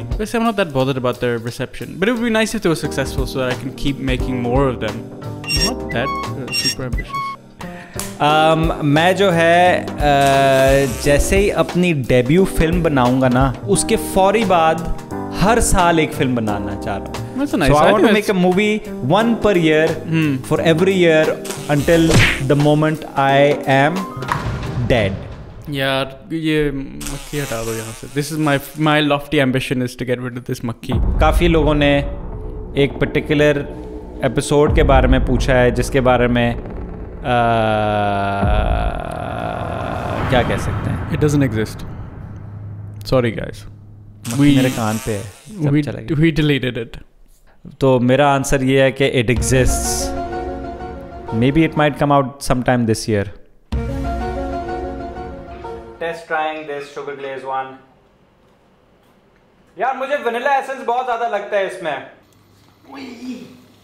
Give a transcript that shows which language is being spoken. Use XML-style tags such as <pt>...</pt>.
<en>Because I'm not that bothered about their reception, but it would be nice if they were successful so that I can keep making more of them. Not that super ambitious.</en> <hi>मैं जो है जैसे ही अपनी debut film बनाऊंगा ना उसके फौरी बाद हर साल एक फिल्म बनाना चाह रहा हूँ।</hi> <en>That's a nice idea. So I want to make a movie one per year for every year until the moment I am dead.</en> <hi>यार ये मक्खी हटा दो यहाँ से।</hi> <en>This is my lofty ambition is to get rid of this मक्खी।</en> <hi>काफ़ी लोगों ने एक particular episode के बारे में पूछा है जिसके बारे में क्या कह सकते हैं।</hi> <en>It doesn't exist. Sorry guys.</en> <hi>मक्खी मेरे कान पे है।</hi> <en>We deleted it.</en> <hi>तो मेरा आंसर ये है कि</hi> <en>it exists. Maybe it might come out sometime this year. Test trying this sugar glaze one.</en> <hi>यार मुझे वनीला एसेंस बहुत ज़्यादा लगता है इसमें।</hi>